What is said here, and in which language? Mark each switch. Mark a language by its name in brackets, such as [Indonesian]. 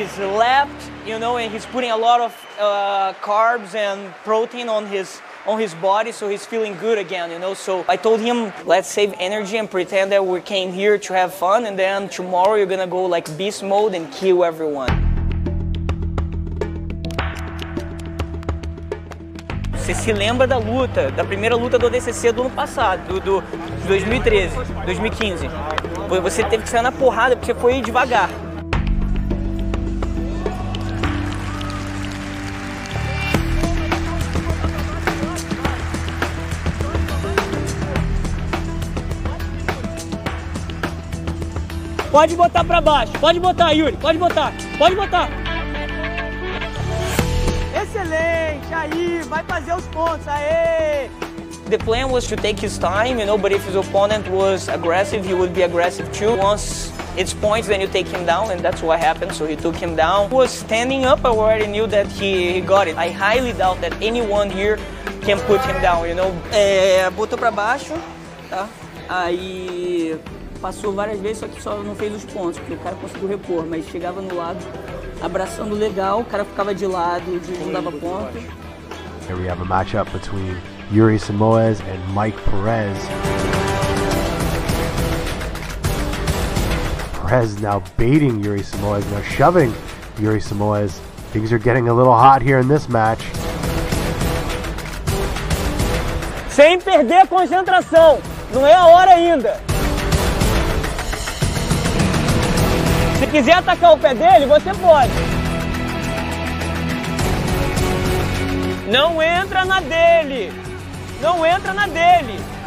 [English] He's putting a lot of carbs and protein on his body, so he's feeling good again, you know. So I told him, let's save energy and pretend that we came here to have fun, and then tomorrow you're gonna go like beast mode and kill everyone. [Portuguese] Você se lembra da luta, da primeira luta do ADCC do ano passado, do 2015. Você teve que sair na porrada porque foi devagar. Pode botar pra baixo, pode botar, Yuri, pode botar, pode botar. Excelente, aí, vai fazer os pontos, aê! [English] The plan was to take his time, you know, but if his opponent was aggressive, he would be aggressive too. Once It's points when you take him down, and that's what happened. So he took him down. He was standing up. I already knew that he got it. I highly doubt that anyone here can put him down, you know? [Portuguese] É, botou pra baixo, tá? Aí passou várias vezes, só que só não fez os pontos, porque o cara conseguiu repor, mas chegava no lado, abraçando legal, o cara ficava de lado, não dava ponto. [English] Here we have a matchup between Yuri Simoes and Mike Perez. Perez now baiting Yuri Simoes, now shoving Yuri Simoes. Things are getting a little hot here in this match. [Portuguese] Sem perder a concentração, não é a hora ainda. Se quiser atacar o pé dele, você pode. Não entra na dele. Não entra na dele.